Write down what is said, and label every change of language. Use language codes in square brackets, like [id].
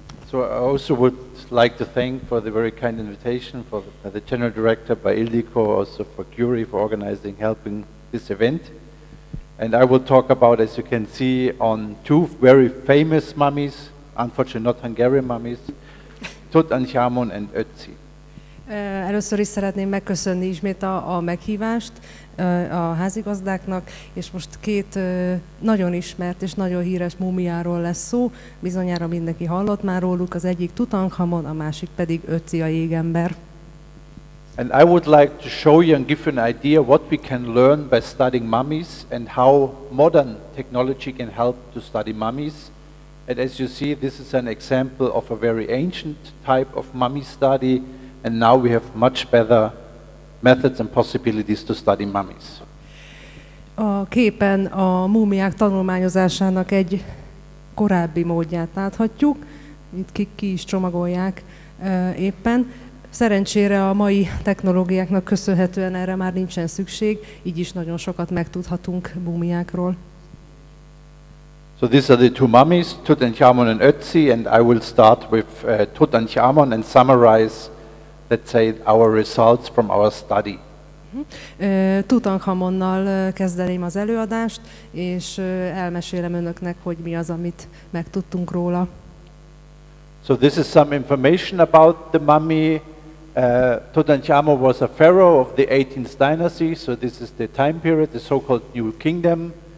[en] So I also would like to thank for the very kind invitation for the general director by Ildiko, also for Curie for organizing, helping this event. And I will talk about, as you can see, on two very famous mummies, unfortunately not Hungarian mummies, Tutanchamun and Ötzi. [hu] Először is szeretném megköszönni ismét a meghívást a házigazdáknak, és most két nagyon ismert és nagyon híres múmiáról lesz szó. Bizonyára mindenki hallott már róluk, az egyik Tutankhamon, a másik pedig Ötzi a jégember. [en] And I would like to show you and give you an idea what we can learn by studying mummies and how modern technology can help to study mummies. And as you see, this is an example of a very ancient type of mummy study, and now we have much better methods and possibilities to study mummies. [hu] A képen a múmiák tanulmányozásának egy korábbi módját láthatjuk, itt ki is csomagolják éppen. Szerencsére a mai technológiáknak köszönhetően erre már nincsen szükség, így is nagyon sokat megtudhatunk múmiákról. [en] So these are the two mummies, Tutankhamun and Ötzi, and I will start with Tutankhamun and summarize, let's say, our results from our study. [hu] Tutankhamonnal kezdeném az előadást, és elmesélem önöknek, hogy mi az, amit megtudtunk róla. [en] So this is some information about the mummy. Tutankhamun was a pharaoh of the 18th dynasty, so this is the time period, the so-called New Kingdom.